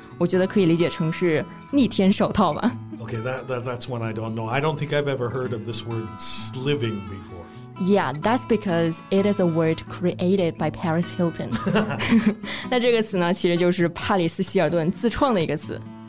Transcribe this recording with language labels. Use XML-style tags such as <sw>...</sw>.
<zh>我觉得可以理解成是逆天手套吧。</zh> <en>Okay, that's one I don't know. I don't think I've ever heard of this word sleeving before. Yeah, that's because it is a word created by Paris Hilton.</en> <zh>那这个词呢，其实就是帕里斯希尔顿自创的一个词。</zh>